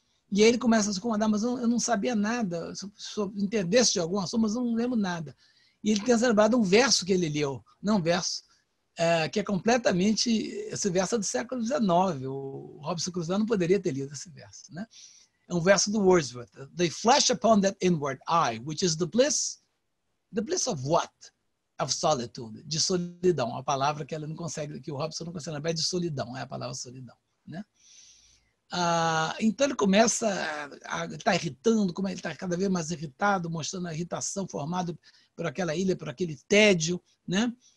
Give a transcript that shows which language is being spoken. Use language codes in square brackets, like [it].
[pt] E aí ele começa a se incomodar, mas eu não sabia nada, se entendesse de algum assunto, mas eu não lembro nada. E ele tem lembrado um verso que ele leu, não um verso, que é completamente, esse verso é do século XIX, o Robinson Crusoe não poderia ter lido esse verso, né? É um verso do Wordsworth. [en] They flash upon that inward eye, which is the bliss of what? Of solitude, [pt] de solidão, a palavra que ela não consegue, que o Robson não consegue lembrar, é de solidão, é a palavra solidão, né? Então ele começa a estar tá irritando, como ele está cada vez mais irritado, mostrando a irritação formada por aquela ilha, por aquele tédio, né?